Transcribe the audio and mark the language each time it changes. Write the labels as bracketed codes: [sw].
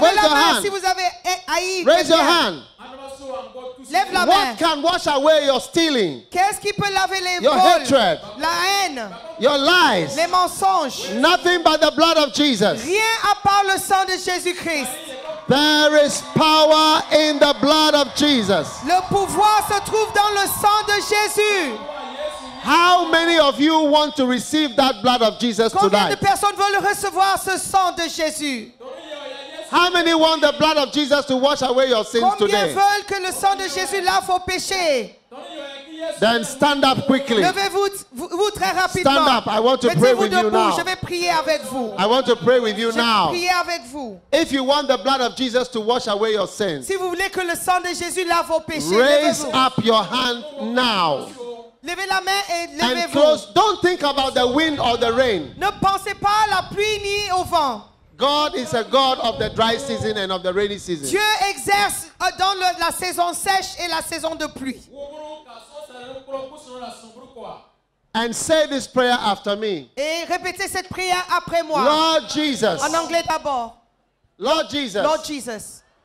[fr] la main [en] hand. [fr] Si vous avez haï. [en] Raise your hand. [fr] Lève la [en] what [fr] main. [en] What can wash away your stealing? [fr] Qu'est-ce qui peut laver les vols? [en] Your hatred. [fr] La haine. [en] Your lies. [fr] Les mensonges. [en] Nothing but the blood of Jesus. [fr] Rien à part le sang de Jésus-Christ. [en] There is power in the blood of Jesus. [fr] Le pouvoir se trouve dans le sang de Jésus. [en] How many of you want to receive that blood of Jesus [fr] combien [en] tonight? [fr] Combien de personnes veulent recevoir ce sang de Jésus? [en] How many want the blood of Jesus to wash away your sins [fr] combien [en] today? [fr] Combien veulent que le sang de Jésus lave vos péchés? [en] Then stand up quickly. [fr] Levez-vous très rapidement. [en] Stand up. I want to pray with you now. [fr] Je vais prier avec vous. [en] I want to pray with you now. [fr] Je vais prier avec vous. [en] If you want the blood of Jesus to wash away your sins, [fr] si vous voulez que le sang de Jésus lave vos péchés, [en] raise up your hand now. [fr] Levez la main et levez-vous. [en] And close. Don't think about the wind or the rain. [fr] Ne pensez pas à la pluie ni au vent. [en] God is a God of the dry season and of the rainy season. [fr] Dieu exerce dans la saison sèche et la saison de pluie. [en] And say this prayer after me. [fr] Et répétez cette prière après moi. [en] Lord Jesus. [fr] En anglais d'abord. [en] Lord Jesus. Lord Jesus.